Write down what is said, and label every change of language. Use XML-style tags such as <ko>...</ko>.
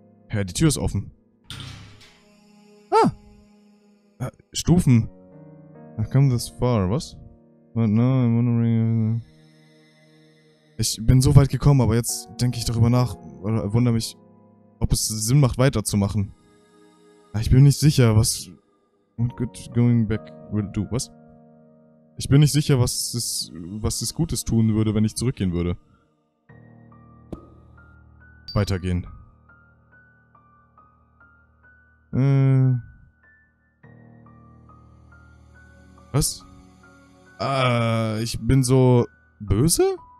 <de>Ja, die Tür ist offen. Ah! Stufen.</de> <en>I've come this far, was? But now I'm wondering...</en> <de>Ich bin so weit gekommen, aber jetzt denke ich darüber nach, oder wundere mich, ob es Sinn macht, weiterzumachen. Ich bin nicht sicher, was...</de> <en>What good going back will do, was?</en> <de>Ich bin nicht sicher, was es Gutes tun würde, wenn ich zurückgehen würde. Weitergehen. Was? Ich bin so böse?</de>